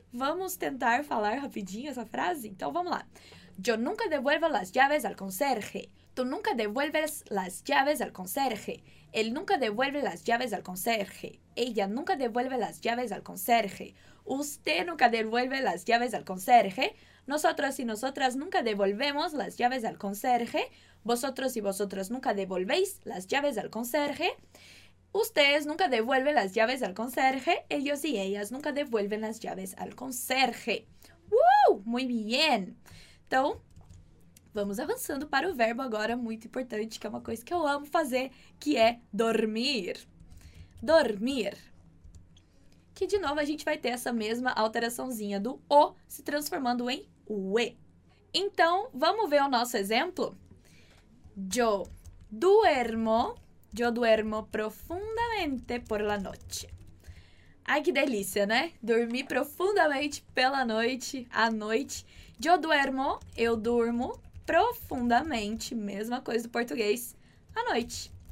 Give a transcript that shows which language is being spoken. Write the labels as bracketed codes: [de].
[pt] Vamos tentar falar rapidinho essa frase? Então, vamos lá. [es] Yo nunca devuelvo las llaves al conserje. Tú nunca devuelves las llaves al conserje. Él nunca devuelve las llaves al conserje. Ella nunca devuelve las llaves al conserje. Usted nunca devuelve las llaves al conserje. Nosotros y nosotras nunca devolvemos las llaves al conserje. Vosotros y vosotras nunca devolvéis las llaves al conserje. Ustedes nunca devuelven las llaves al conserje. Ellos y ellas nunca devuelven las llaves al conserje. ¡Woo! ¡Muy bien! [pt] Então, vamos avançando para o verbo agora, muito importante, que é uma coisa que eu amo fazer, que é dormir. Dormir. Que, de novo, a gente vai ter essa mesma alteraçãozinha do O se transformando em UE. Então, vamos ver o nosso exemplo? [es] Yo duermo profundamente por la noche. [pt] Ai, que delícia, né? Dormir profundamente pela noite, à noite. [es] Yo duermo, [pt] eu durmo profundamente, mesma coisa do português, à noite.